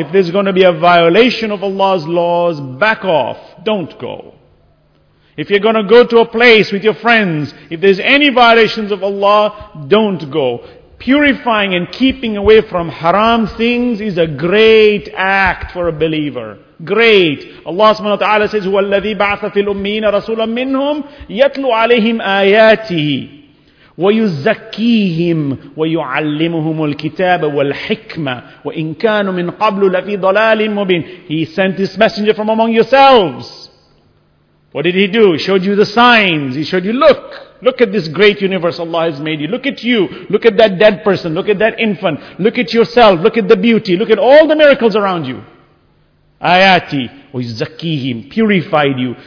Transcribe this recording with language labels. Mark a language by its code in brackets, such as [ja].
[en] If there's going to be a violation of Allah's laws, back off. Don't go. If you're going to go to a place with your friends, if there's any violations of Allah, don't go. Purifying and keeping away from haram things is a great act for a believer. Great. Allah subhanahu wa ta'ala says, [ar] وَالَّذِي بَعْثَ فِي الْأُمِّينَ رَسُولًا مِّنْهُمْ يَتْلُوا عَلَيْهِمْ آيَاتِهِ وَيُزَكِّيهِمْ وَيُعَلِّمُهُمُ الْكِتَابَ وَالْحِكْمَةِ وَإِنْ كَانُوا مِنْ قَبْلُ لَفِي ضَلَالٍ مُبِينٍ. [en] He sent this messenger from among yourselves. What did he do? He showed you the signs. He showed you, look. Look at this great universe Allah has made you. Look at you. Look at that dead person. Look at that infant. Look at yourself. Look at the beauty. Look at all the miracles around you. Ayati. وَيُزَكِّيهِمْ. Purified you.